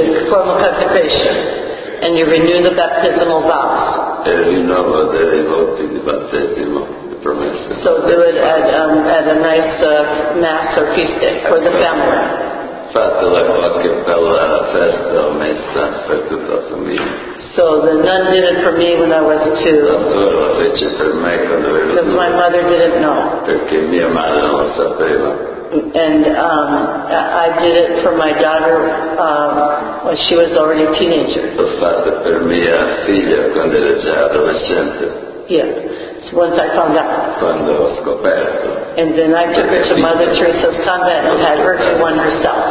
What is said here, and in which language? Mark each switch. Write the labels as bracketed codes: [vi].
[en] formal consecration, and you renew the baptismal vows. [it] E rinnovo dei voti di battesimo, di promesse. [en] So do it at a nice mass or feast day for the family. [it] Fate la qualche bella festa o messa per tutta la famiglia. [en] So the nun did it for me when I was two. Because my mother didn't know. [it] Perché mia madre non lo sapeva. [en] And I did it for my daughter when she was already a teenager. [it] L'ho fatto per mia figlia quando era già adolescente. [en] Yeah. So once I found out. [it] Quando ho scoperto. [en] And then I took her to Mother Teresa's convent and had her do one herself.